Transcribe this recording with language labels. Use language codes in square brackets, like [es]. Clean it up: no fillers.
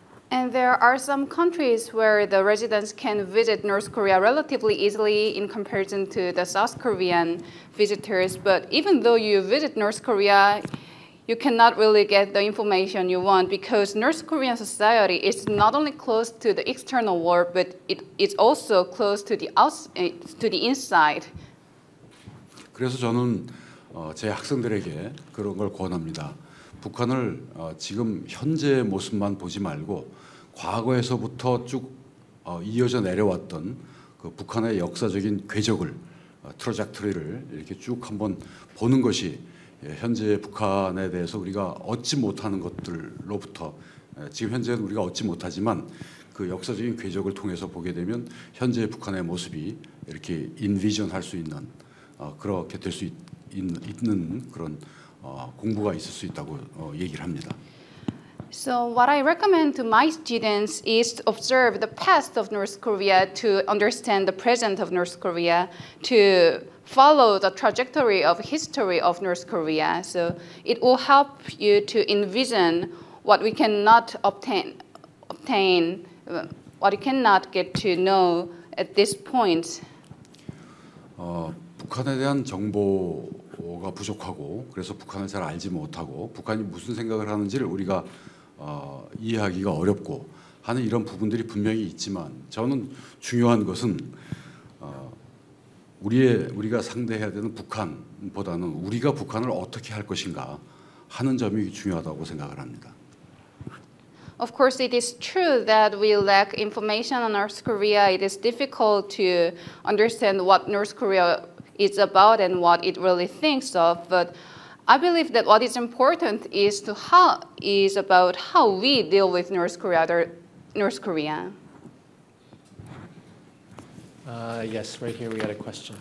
[en] And there are some countries where the residents can visit North Korea relatively easily in comparison to the South Korean visitors. But even though you visit North Korea, you cannot really get the information you want because North Korean society is not only close to the external world, but it's also close to the outside, to the inside. [ko] 그래서 저는 제 학생들에게 그런 걸 권합니다. 북한을 지금 현재의 모습만 보지 말고 과거에서부터 쭉 이어져 내려왔던 그 북한의 역사적인 궤적을 트러젝토리를 이렇게 쭉 한번 보는 것이 현재 북한에 대해서 우리가 얻지 못하는 것들로부터 지금 현재는 우리가 얻지 못하지만 그 역사적인 궤적을 통해서 보게 되면 현재 북한의 모습이 이렇게 인비전 할 수 있는 그렇게 될 수 있는 그런 공부가 있을 수 있다고 얘기를 합니다. [en] So what I recommend to my students is to observe the past of North Korea to understand the present of North Korea, to follow the trajectory of history of North Korea. So it will help you to envision what we cannot obtain, what we cannot get to know at this point. [ko] 북한에 대한 정보 가 부족하고 그래서 북한을 잘 알지 못하고 북한이 무슨 생각을 하는지를 우리가 이해하기가 어렵고 하는 이런 부분들이 분명히 있지만 저는 중요한 것은 우리가 상대해야 되는 북한보다는 우리가 북한을 어떻게 할 것인가 하는 점이 중요하다고 생각을 합니다. [en] Of course, it is true that we lack information on North Korea. It is difficult to understand what North Korea is about and what it really thinks of. But I believe that what is important is to how is about how we deal with North Korea. Yes, right here we got a question.